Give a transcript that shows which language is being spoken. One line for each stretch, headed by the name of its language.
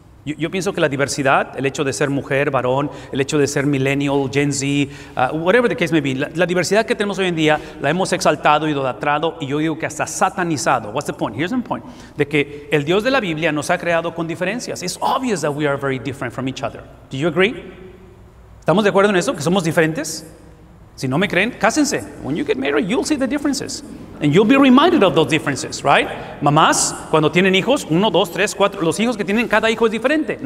Spanish: Yo pienso que la diversidad, el hecho de ser mujer, varón, el hecho de ser millennial, Gen Z,
English: whatever the case may be,
Spanish: la diversidad que tenemos hoy en día la hemos exaltado, idolatrado, y yo digo que hasta satanizado.
English: What's the point? Here's the point.
Spanish: De que el Dios de la Biblia nos ha creado con diferencias.
English: It's obvious that we are very different from each other. Do you agree?
Spanish: ¿Estamos de acuerdo en eso? ¿Que somos diferentes? Si no me creen, cásense.
English: When you get married, you'll see the differences. And you'll be reminded of those differences, right?
Spanish: Mamás, cuando tienen hijos, uno, dos, tres, cuatro, los hijos que tienen, cada hijo es diferente.